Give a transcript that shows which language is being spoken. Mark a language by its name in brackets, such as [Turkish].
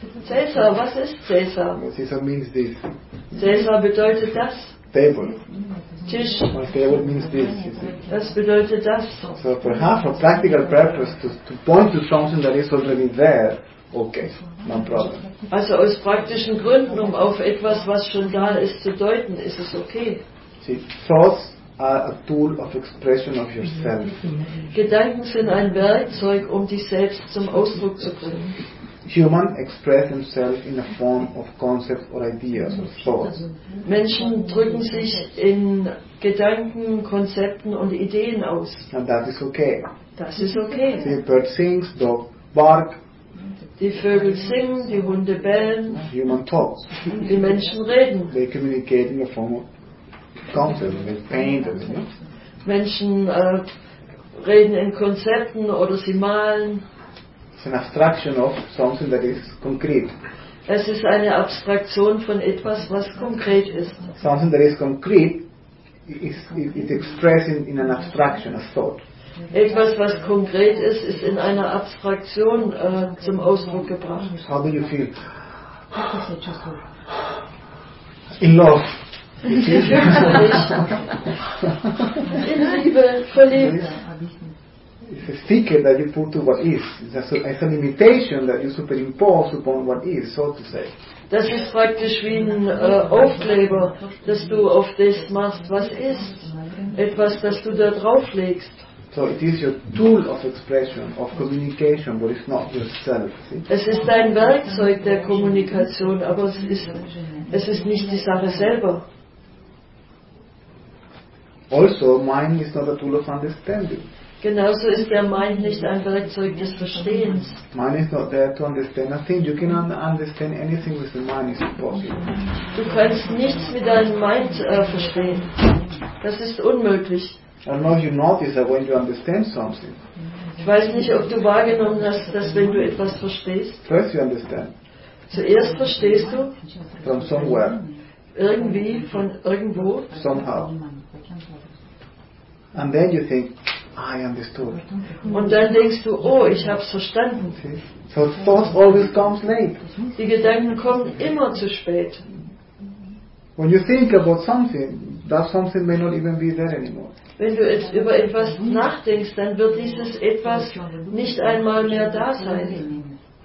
[German] Caesar, was ist Caesar? [English] Caesar means this. [German] Caesar bedeutet das. [English] Table. [German] Tisch. [English] My table means this. [German] Das bedeutet das. [English] So perhaps for practical purpose to point to something that is already there, okay, no problem. [German] Also aus praktischen Gründen, um auf etwas, was schon da ist, zu deuten, ist es okay. [English] See, thoughts are a tool of expression of yourself. [German] Gedanken sind ein Werkzeug, um dich selbst zum Ausdruck zu bringen. [English] Human express themselves in a form of concepts or ideas or thoughts. [German] Menschen drücken sich in Gedanken, Konzepten und Ideen aus. [English] And that is okay. [German] Das ist okay. [English] See, bird sings, dog bark. [German] Die Vögel singen, die Hunde bellen. [English] Human talks. [German] Die Menschen reden. [English] They communicate in a form of concepts, they paint them, you know? [German] Menschen reden in Konzepten oder sie malen. [English] It's an abstraction of something that is concrete. [German] Es ist eine Abstraktion von etwas, was konkret ist. [English] Something that is concrete is expressed in an abstraction, a thought. [German] Etwas, was konkret ist, ist in einer Abstraktion zum Ausdruck gebracht. [English] How do you feel? In love. [German] In Liebe, verliebt. [English] It's a sticker that you put to what is. It's an imitation that you superimpose upon what is, so to say. [German] Das ist praktisch wie ein Aufkleber, das du auf das machst, was ist. Etwas, das du da drauf legst. [English] So it is your tool of expression, of communication, but it's not yourself. See? [German] Es ist dein Werkzeug der Kommunikation, aber es ist nicht die Sache selber. [English] Also, mind is not a tool of understanding. [German] Genauso ist der Mind nicht ein Werkzeug des Verstehens. [English] Mind is not there to understand a thing. You can understand anything with the mind, it's impossible. [German] Du kannst nichts mit deinem Mind verstehen. Das ist unmöglich. [English] I don't know if you notice that when you understand something. [German] Ich weiß nicht, ob du wahrgenommen hast, dass wenn du etwas verstehst. [English] First you understand. [German] Zuerst verstehst du. [English] From somewhere. [German] Irgendwie, von irgendwo. [English] Somehow. And then you think, I understood. [German] Und dann denkst du, oh, ich hab's verstanden. [English] See? So thoughts always come late. [German] Die Gedanken kommen immer zu spät. [English] When you think about something, that something may not even be there anymore. [German] Wenn du jetzt über etwas nachdenkst, dann wird dieses etwas nicht einmal mehr da sein.